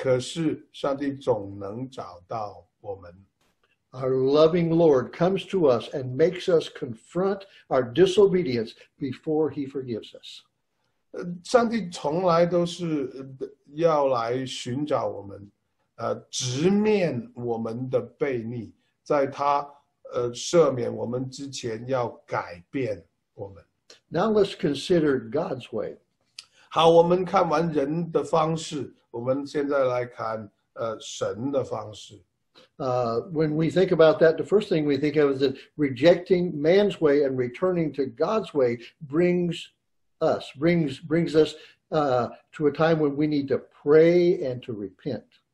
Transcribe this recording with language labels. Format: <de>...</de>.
<zh>我们藏起来想躲避上帝的面，可是上帝总能找到我们。</zh> <en>Our loving Lord comes to us and makes us confront our disobedience before he forgives us.</en> <zh>上帝从来都是要来寻找我们，直面我们的悖逆，在他赦免我们之前要改变我们。</zh> <en>Now let's consider God's way.</en> <zh>好，我们看完人的方式，我们现在来看神的方式。</zh> <en>When we think about that, the first thing we think of is that rejecting man's way and returning to God's way brings us to a time when we need to pray and to repent.</en>